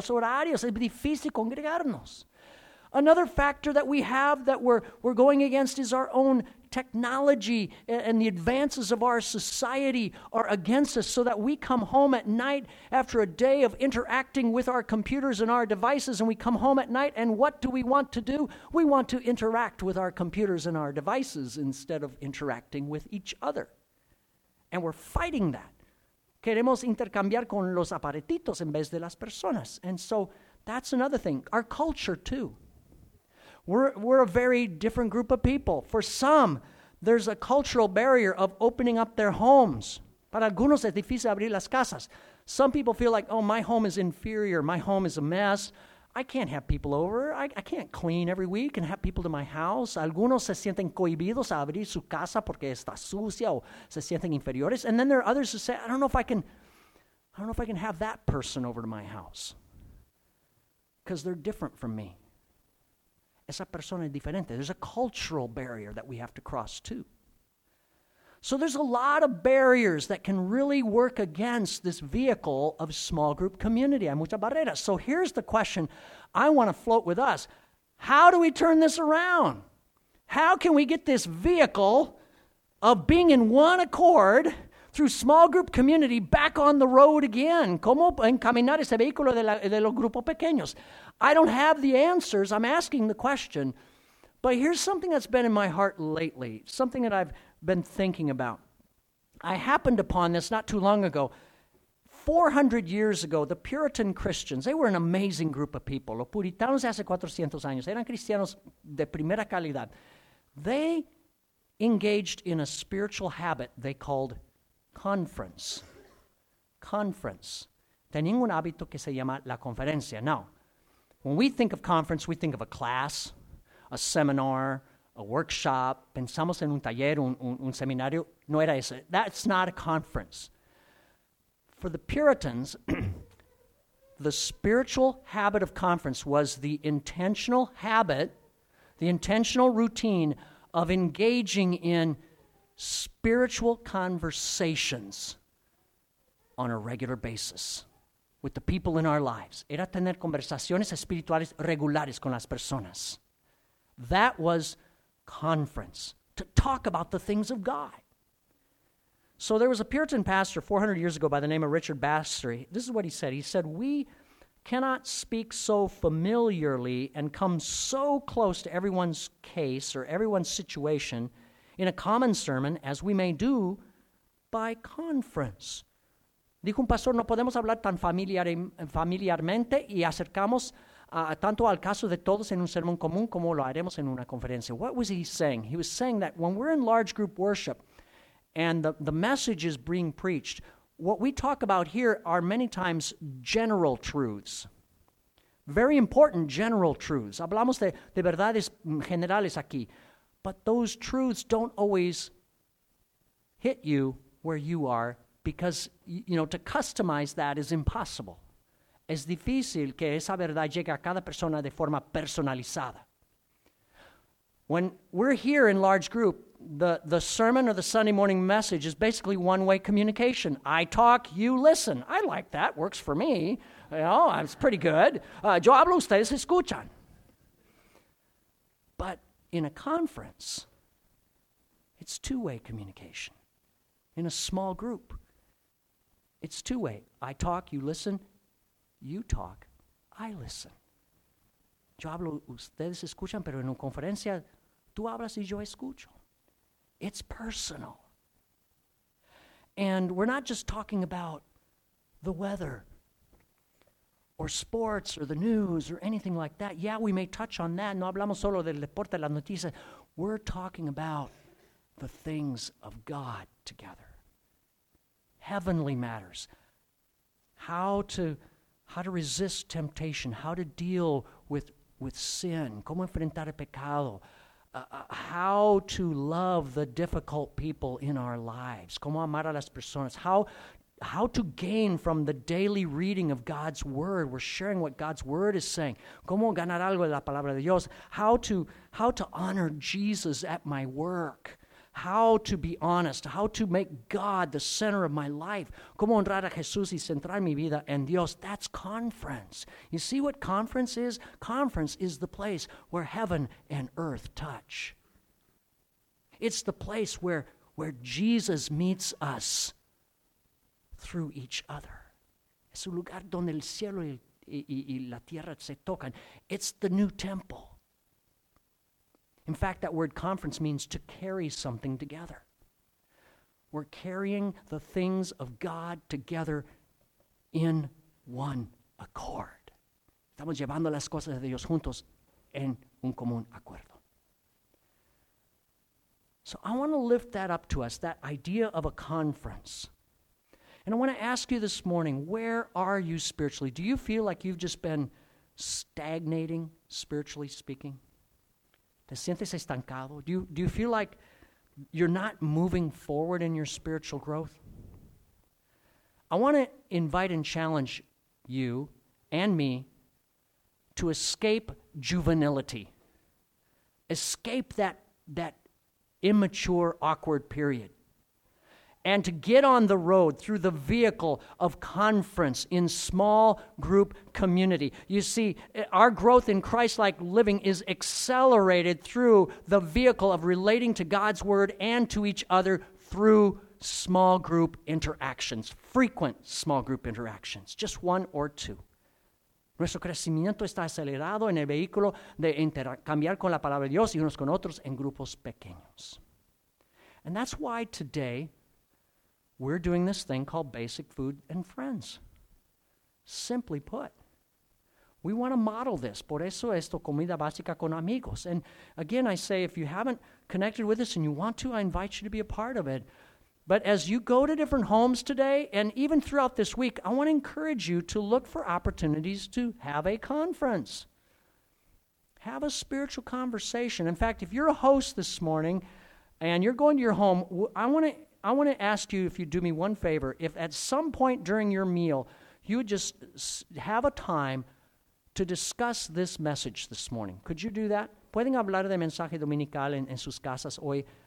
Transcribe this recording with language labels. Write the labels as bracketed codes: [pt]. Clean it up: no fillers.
[es] Los horarios, es difícil congregarnos. [en] Another factor that we have that we're going against is our own technology and the advances of our society are against us, so that we come home at night after a day of interacting with our computers and our devices, and we come home at night, and what do we want to do? We want to interact with our computers and our devices instead of interacting with each other. And we're fighting that. [es] Queremos intercambiar con los aparatitos en vez de las personas. [en] And so that's another thing. Our culture, too. We're a very different group of people. For some, there's a cultural barrier of opening up their homes. [es] Para algunos es difícil abrir las casas. [en] Some people feel like, oh, my home is inferior. My home is a mess. I can't have people over. I can't clean every week and have people to my house. [es] Algunos se sienten cohibidos a abrir su casa porque está sucia o se sienten inferiores. [en] And then there are others who say, I don't know if I can have that person over to my house because they're different from me. [es] Esa persona es diferente. [en] There's a cultural barrier that we have to cross too. So there's a lot of barriers that can really work against this vehicle of small group community. [es] Hay muchas barreras. [en] So here's the question I want to float with us. How do we turn this around? How can we get this vehicle of being in one accord through small group community back on the road again? [es] ¿Cómo encaminar ese vehículo de los grupos pequeños? [en] I don't have the answers. I'm asking the question. But here's something that's been in my heart lately, something that I've been thinking about. I happened upon this not too long ago. 400 years ago, the Puritan Christians, they were an amazing group of people. [es] Los puritanos hace 400 años. Eran cristianos de primera calidad. [en] They engaged in a spiritual habit they called conference. Conference. [es] Tenían un hábito que se llama la conferencia. [en] Now, when we think of conference, we think of a class, a seminar, a workshop. [es] Pensamos en un taller, un seminario. No era eso. [en] That's not a conference. For the Puritans, the spiritual habit of conference was the intentional habit, the intentional routine of engaging in spiritual conversations on a regular basis with the people in our lives. [es] Era tener conversaciones espirituales regulares con las personas. [en] That was conference, to talk about the things of God. So there was a Puritan pastor 400 years ago by the name of Richard Bastery. This is what he said. He said, "We cannot speak so familiarly and come so close to everyone's case or everyone's situation in a common sermon as we may do by conference." [es] Dijo un pastor, no podemos hablar tan familiarmente y acercamos tanto al caso de todos en un sermón común como lo haremos en una conferencia. [en] What was he saying? He was saying that when we're in large group worship and the message is being preached, what we talk about here are many times general truths. Very important general truths. [es] Hablamos de verdades generales aquí. [en] But those truths don't always hit you where you are, because, you know, to customize that is impossible. [es] Es difícil que esa verdad llegue a cada persona de forma personalizada. [en] When we're here in large group, the sermon or the Sunday morning message is basically one-way communication. I talk, you listen. I like that. Works for me. You know, it's pretty good. [es] Yo hablo, ustedes escuchan. [en] But in a conference, It's two-way communication in a small group. It's two-way. I talk, you listen. You talk, I listen. [es] Yo hablo, ustedes escuchan, pero en una conferencia, tú hablas y yo escucho. [en] It's personal. And we're not just talking about the weather or sports or the news or anything like that. Yeah, we may touch on that. [es] No hablamos solo del deporte, las noticias. [en] We're talking about the things of God together. Heavenly matters. How to resist temptation. How to deal with sin. [es] Cómo enfrentar el pecado. [en] How to love the difficult people in our lives. [es] Cómo amar a las personas. [en] How to gain from the daily reading of God's Word. We're sharing what God's Word is saying. [es] Cómo ganar algo de la palabra de Dios. [en] How to honor Jesus at my work. How to be honest. How to make God the center of my life. [es] Cómo honrar a Jesús y centrar mi vida en Dios. [en] That's conference. You see what conference is? Conference is the place where heaven and earth touch. It's the place where Jesus meets us through each other. [es] Es un lugar donde el cielo y la tierra se tocan. [en] It's the new temple. In fact, that word conference means to carry something together. We're carrying the things of God together in one accord. [es] Estamos llevando las cosas de Dios juntos en un común acuerdo. [en] So I want to lift that up to us, that idea of a conference. And I want to ask you this morning, where are you spiritually? Do you feel like you've just been stagnating, spiritually speaking? [es] ¿Te sientes estancado? [en] Do you feel like you're not moving forward in your spiritual growth? I want to invite and challenge you and me to escape juvenility. Escape that immature, awkward period. And to get on the road through the vehicle of conference in small group community. You see, our growth in Christ-like living is accelerated through the vehicle of relating to God's Word and to each other through small group interactions, frequent small group interactions, just one or two. [es] Nuestro crecimiento está acelerado en el vehículo de intercambiar con la palabra de Dios y unos con otros en grupos pequeños. [en] And that's why today, we're doing this thing called Basic Food and Friends. Simply put, we want to model this. [es] Por eso esto, comida básica con amigos. [en] And again, I say, if you haven't connected with us and you want to, I invite you to be a part of it. But as you go to different homes today, and even throughout this week, I want to encourage you to look for opportunities to have a conference. Have a spiritual conversation. In fact, if you're a host this morning and you're going to your home, I want to ask you if you'd do me one favor. If at some point during your meal, you would just have a time to discuss this message this morning. Could you do that? [es] ¿Pueden hablar de mensaje dominical en sus casas hoy?